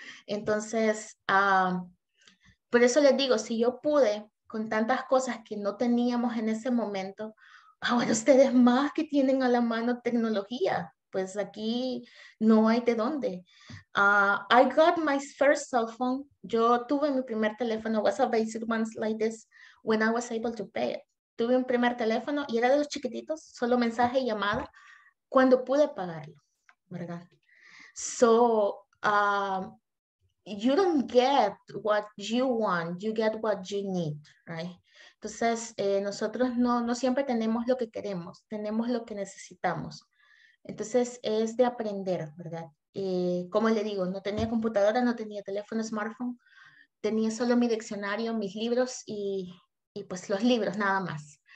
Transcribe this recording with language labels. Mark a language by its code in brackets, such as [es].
[es] Entonces, por eso les digo, si yo pude con tantas cosas que no teníamos en ese momento, ahora ustedes más que tienen a la mano tecnología, pues aquí no hay de dónde. [en] I got my first cell phone. [es] Yo tuve mi primer teléfono, [en] was a basic ones like this, when I was able to pay it. [es] Tuve un primer teléfono y era de los chiquititos, solo mensaje y llamada, cuando pude pagarlo, ¿verdad? [en] So, you don't get what you want, you get what you need, right? [es] Entonces, nosotros no siempre tenemos lo que queremos, tenemos lo que necesitamos. Entonces, es de aprender, ¿verdad? Como le digo, no tenía computadora, no tenía teléfono, smartphone, tenía solo mi diccionario, mis libros y pues los libros nada más.